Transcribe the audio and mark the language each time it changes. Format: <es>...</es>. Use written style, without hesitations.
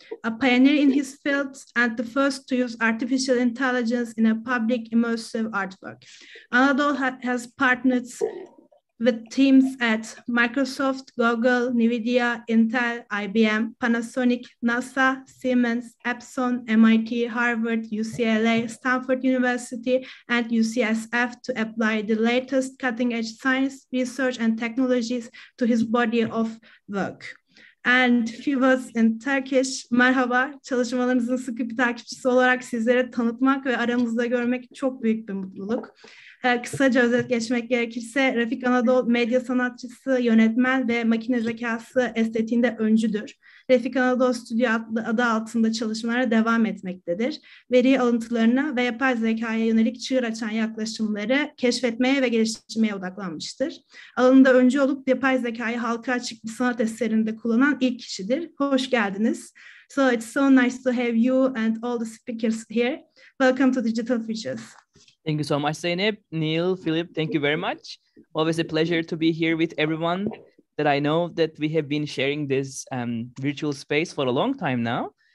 <en>A pioneer in his field and the first to use artificial intelligence in a public immersive artwork, Anadol has partnered with teams at Microsoft, Google, NVIDIA, Intel, IBM, Panasonic, NASA, Siemens, Epson, MIT, Harvard, UCLA, Stanford University, and UCSF to apply the latest cutting-edge science, research, and technologies to his body of work. And a few words in Turkish.</en> <tr>Merhaba, çalışmalarınızın sıkı bir takipçisi olarak sizlere tanıtmak ve aranızda görmek çok büyük bir mutluluk. Kısaca özet geçmek gerekirse, Refik Anadol medya sanatçısı, yönetmen ve makine zekası estetiğinde öncüdür. Refik Anadol Studio adı altında çalışmalara devam etmektedir. Veri alıntılarına ve yapay zekaya yönelik çığır açan yaklaşımları keşfetmeye ve geliştirmeye odaklanmıştır. Alanında öncü olup yapay zekayı halka açık bir sanat eserinde kullanan ilk kişidir. Hoş geldiniz.</tr> <en>So it's so nice to have you and all the speakers here. Welcome to Digital Futures. Thank you so much, Zeynep, Neil, Philip. Thank you very much. Always a pleasure to be here with everyone that I know that we have been sharing this virtual space for a long time now.</en>